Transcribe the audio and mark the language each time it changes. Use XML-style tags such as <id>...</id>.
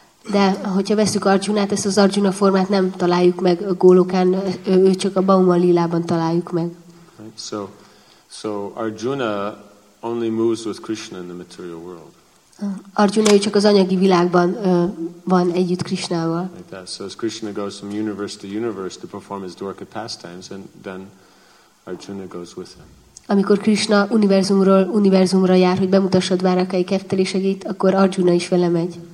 <hu>De hogyha veszük Arjunát, ezt az Arjuna formát nem találjuk meg a Golokán, ő csak a Bomalilában találjuk meg.</hu> <en>Right? So Arjuna only moves with Krishna in the material world.</en> <hu>Arjuna ő csak az anyagi világban van együtt Krishnával.</hu> <en>Like that. So as Krishna goes from universe to universe to perform his dwarka pastimes, and then Arjuna goes with him.</en> <hu>Amikor Krishna univerzumról univerzumra jár, hogy bemutassa Dvárakai kefteléseit, akkor Arjuna is vele megy.</hu>